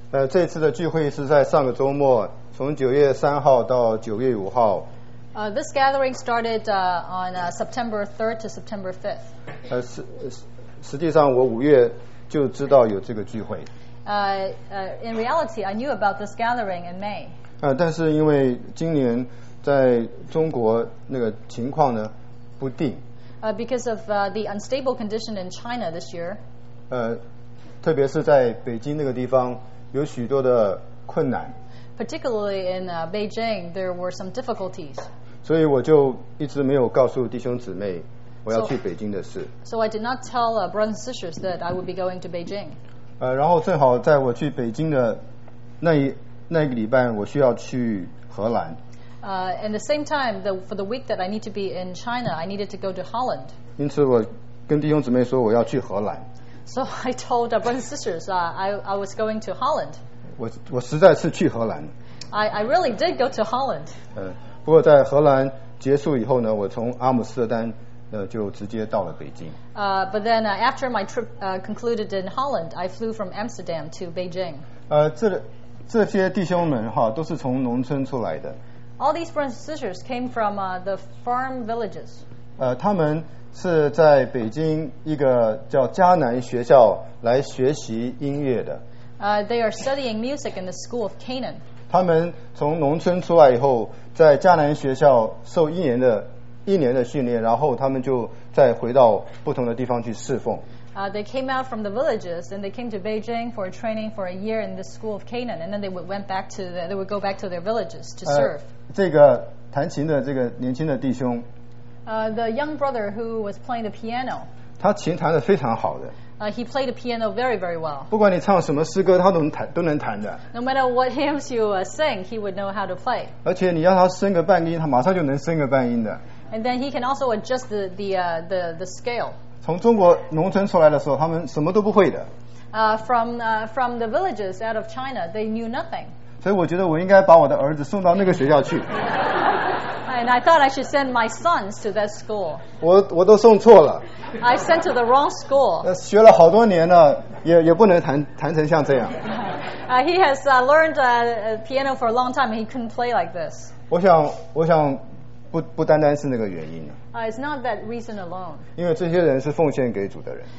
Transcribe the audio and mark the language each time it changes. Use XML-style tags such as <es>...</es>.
<zh>这次的聚会是在上个周末，从9月3号到9月5号。</zh> <en>This gathering started on September 3rd to September 5th.</en> <zh>实际上我五月就知道有这个聚会。</zh> <en>In reality, I knew about this gathering in May.</en> <zh>但是因为今年在中国那个情况呢不定。</zh> <en>Because of the unstable condition in China this year.</en> <zh>特别是在北京那个地方有许多的困难。</zh> <en>Particularly in Beijing, there were some difficulties.</en> <zh>所以我就一直没有告诉弟兄姊妹我要去北京的事。</zh> <en>So I did not tell brothers and sisters that I would be going to Beijing.</en> <zh>然后正好在我去北京的那个礼拜，我需要去荷兰。</zh> <en>In the same time, for the week that I need to be in China, I needed to go to Holland.</en> <zh>因此我跟弟兄姊妹说我要去荷兰。</zh> <en>So I told brothers and sisters I was going to Holland.</en> <zh>我实在是去荷兰。</zh> <en>I really did go to Holland.</en> <zh>不过在荷兰结束以后呢，我从阿姆斯特丹就直接到了北京。</zh> <en>But then after my trip concluded in Holland, I flew from Amsterdam to Beijing.</en> <zh>这些弟兄们哈都是从农村出来的。</zh> <en>All these brothers and sisters came from the farm villages.</en> <zh>他们是在北京一个叫迦南学校来学习音乐的。</zh> <en>They are studying music in the school of Canaan.</en> <zh>他们从农村出来以后，在迦南学校受一年的训练，然后他们就再回到不同的地方去侍奉。</zh> <en>They came out from the villages and they came to Beijing for a training for a year in the school of Canaan, and then they would go back to their villages to serve.</en> <zh>这个弹琴的这个年轻的弟兄。</zh> <en>The young brother who was playing the piano.</en> <zh>他琴弹得非常好的。</zh> <en>He played the piano very, very well.</en> <zh>不管你唱什么诗歌，他都能弹的。</zh> <en>No matter what hymns you sing, he would know how to play.</en> <zh>而且你让他升个半音，他马上就能升个半音的。</zh> <en>And then he can also adjust the scale.</en> <zh>从中国农村出来的时候，他们什么都不会的。</zh> <en>From the villages out of China, they knew nothing.</en> <zh>所以我觉得我应该把我的儿子送到那个学校去。</zh> <en>And I thought I should send my sons to that school.</en> <zh>我都送错了。</zh> <en>I sent to the wrong school.</en> <zh>学了好多年了，也不能弹成像这样。</zh> <en>He has learned piano for a long time, and he couldn't play like this.</en> <zh>我想不单单是那个原因。</zh> <en>It's not that reason alone.</en> <zh>因为这些人是奉献给主的人。</zh>